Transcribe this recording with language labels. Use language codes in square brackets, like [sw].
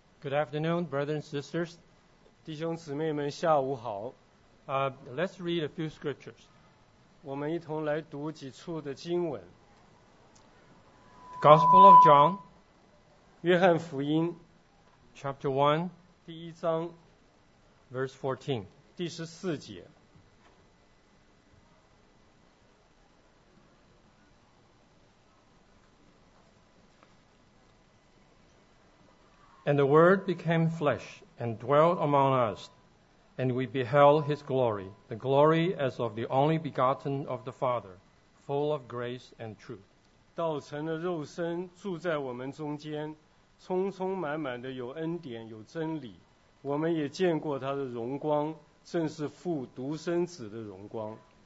[en] Good afternoon, brothers and sisters. [zh] 弟兄姊妹们，下午好。 [en] Let's read a few scriptures. [zh] 我们一同来读几处的经文。 [en] The Gospel of John. [zh] 约翰福音。 [en] Chapter 1. [zh] 第一章。 [en] Verse 14. [zh] 第十四节。 [en] And the Word became flesh and dwelt among us, and we beheld His glory, the glory as of the only begotten of the Father, full of grace and truth. [zh] 道成了肉身，住在我们中间，充充满满的有恩典，有真理。我们也见过他的荣光，正是父独生子的荣光。